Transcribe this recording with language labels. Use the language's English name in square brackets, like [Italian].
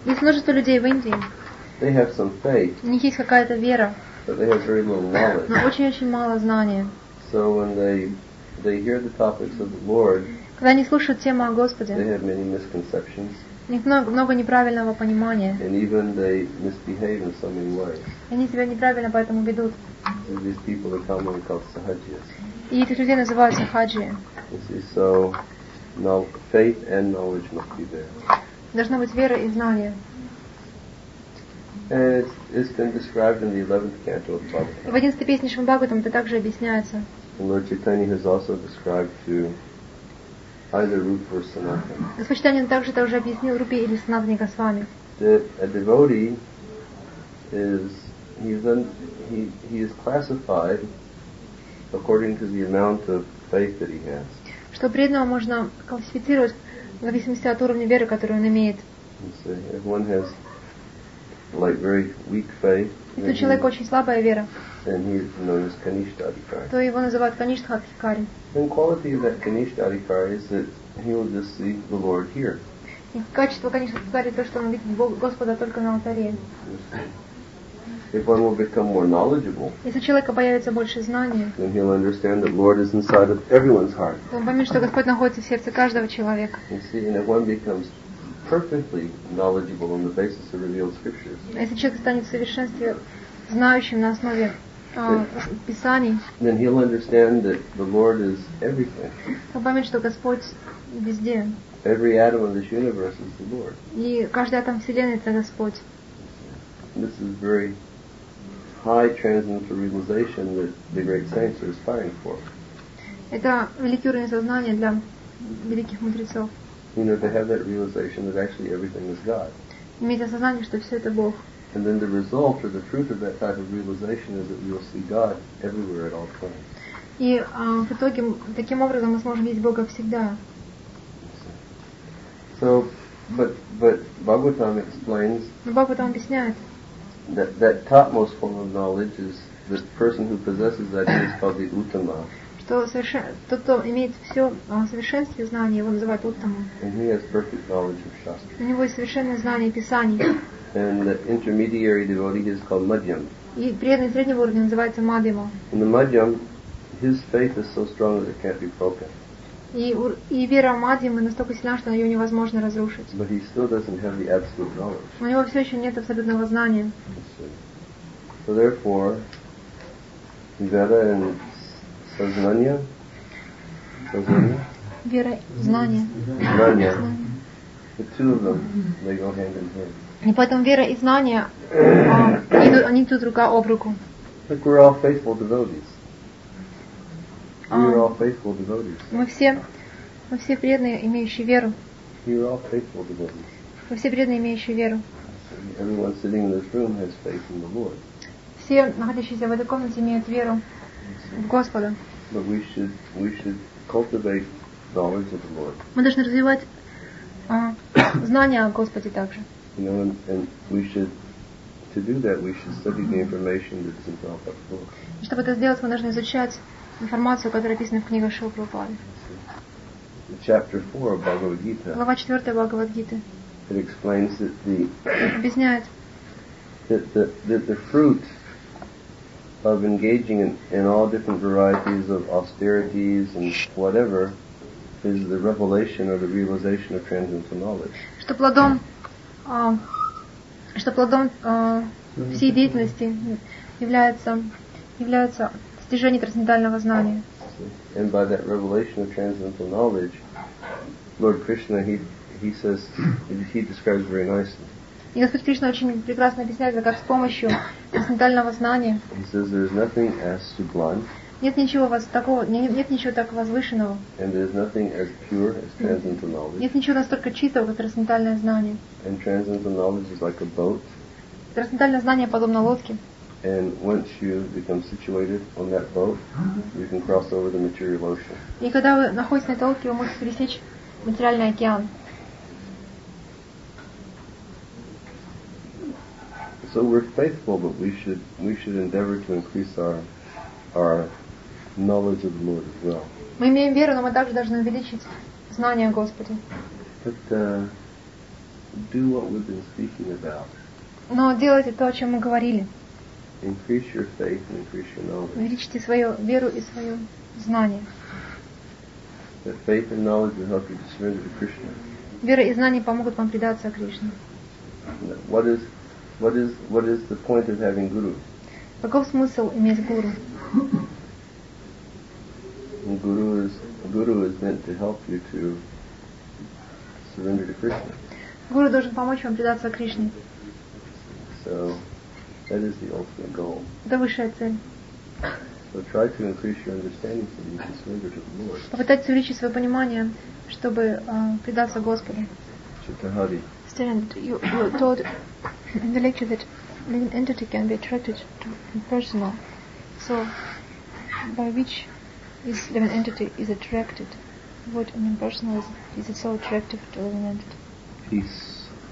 [Russian] Есть множество людей в Индии. [English] They have some faith. [Russian] У них есть какая-то вера. [English] But they have very little knowledge. [Russian] Но очень-очень мало знания. [English] So when they hear the topics of the Lord. [Russian] Когда они слушают тему о Господе, [English] they have many misconceptions. [Russian] много неправильного понимания. [English] And even they misbehave in so many ways. [Russian] Они себя неправильно поэтому ведут. [English] And these people are commonly called sahajiyas. [Russian] И этих людей называют сахаджи. [English] So, now faith and knowledge must be there. [Russian] Должна быть вера и знание. [English] And it's been described in the 11th canto of Bhagavatam. [Russian] В 11-й песне Шримад Бхагаватам это также объясняется. [English] Lord Chaitanya has also described to either Rupa or Sanatana. [Russian] Господь Чайтанья также объяснил Рупе или Санатане Госвами. [English] A devotee is classified according to the amount of faith that he has. [Russian] Что преданного можно классифицировать в зависимости от уровня веры, которую он имеет. [English] If one has like very weak faith, [Russian] и тот человек очень слабая вера, [English] then he is known as Kanishtha Adhikari. [Russian] То его называют Kanishtha Adhikari. [English] The quality of that Kanishtha Adhikari is that he will just see the Lord here. [Russian] И качество Kanishtha Adhikari то, что он видит Господа только на алтаре. [English] If one will become more knowledgeable, [Russian] если человека появится больше знания, [English] then he'll understand that Lord is inside of everyone's heart. [Russian] Он поймет, что Господь находится в сердце каждого человека. [English] You see, and if one becomes perfectly knowledgeable on the basis of revealed scriptures, [Russian] если человек станет в совершенстве знающим на основе Писаний, [English] then he'll understand that the Lord is everything. [Russian] Он поймет, что Господь везде. [English] Every atom of this universe is the Lord. [Russian] И каждый атом вселенной это Господь. [English] This is very high transcendental realization that the great saints are aspiring for. [Russian] Это великий уровень сознания для великих мудрецов. [English] You know, to have that realization that actually everything is God. [Russian] Иметь осознание, что все это Бог. [English] And then the result or the truth of that type of realization is that we will see God everywhere at all times. [Russian] И в итоге таким образом мы сможем видеть Бога всегда. [English] So, but Bhagavatam explains. [Russian] Но Бхагаватам объясняет. [English] That topmost form of knowledge is the person who possesses that is called the Uttama. [Russian] Что тот, кто имеет все совершенство знания, его называют Уттама. [English] And he has perfect knowledge of Shastra. [Russian] У него есть совершенное знание Писаний. [English] And the intermediary devotee is called Madhyam. [Russian] И преданный среднего уровня называется Мадхима. [English] And the Madhyam, his faith is so strong that it can't be broken. [Russian] И вера Мадхимы настолько сильна, что ее невозможно разрушить. [English] But he still doesn't have the absolute knowledge. [Russian] У него все еще нет абсолютного знания. [English] So therefore, [Russian] Vera [English] and Saznanya, [Russian] Vera, знание. Знание. [English] The two of them, they go hand in hand. [Russian] И поэтому вера и знание, они идут рука об руку. [English] Like we're all faithful devotees. We're all faithful devotees. [Russian] Мы все преданные, имеющие веру. [English] We're all faithful devotees. [Russian] Мы все преданные, имеющие веру. [English] Everyone sitting in this room has faith in the Lord. [Russian] Все находящиеся в этой комнате имеют веру в Господа. [English] But we should cultivate knowledge of the Lord. [Russian] Мы должны развивать знания о Господе также. [English] You know, and we should, to do that, we should study the information that's in Prabhupada's book. [Russian] И чтобы это сделать, мы должны изучать информацию, которая описана в книгах Шрилы Прабхупады. [English] Chapter 4 of Bhagavad Gita. [Russian] Глава 4 Бхагавад Гиты. [English] It explains that the. [Russian] Объясняет. [English] That the fruit of engaging in all different varieties of austerities and whatever is the revelation or the realization of transcendental knowledge. [Russian] Что плодом всей деятельности является достижение трансцендентального знания. [English] And by that revelation of transcendental knowledge, Lord Krishna he describes very nicely. [Russian] И Господь Кришна очень прекрасно объясняет, как с помощью трансцендентального знания. [English] He says there is nothing as sublime. [Russian] Нет ничего так возвышенного. [English] And there is nothing as pure as transcendental knowledge. [Russian] Нет ничего настолько чистого, как трансцендентальное знание. [English] And transcendental knowledge is like a boat. [Russian] Трансцендентальное знание подобно лодке. [English] And once you become situated on that boat, you can cross over the material ocean. [Russian] И когда вы находитесь на этой лодке, вы можете пересечь материальный океан. [English] So we're faithful, but we should endeavor to increase our knowledge of the Lord as well. [Russian] Мы имеем веру, но мы также должны увеличить знание о Господе. [English] But do what we've been speaking about. [Russian] Но делайте то, о чем мы говорили. [English] Increase your faith and increase your knowledge. [Russian] Увеличьте свою веру и свое знание. [English] That faith and knowledge will help you to surrender to Krishna. [Russian] Вера и знание помогут вам предаться Кришне. [English] What is the point of having guru? [Russian] Каков смысл иметь гуру? [English] Guru is meant to help you to surrender to Krishna. [Russian] Гуру должен помочь вам предаться Кришне. [English] So that is the ultimate goal. [Russian] Это высшая цель. [English] So try to increase your understanding so you can surrender to the Lord. [Russian] Попытайтесь увеличить свое понимание, чтобы предаться Господу. [English] Chitahari. Stand. You told in the lecture that living entity can be attracted to impersonal. So by which is living entity is attracted? What an impersonal is it so attractive to living entity? Peace.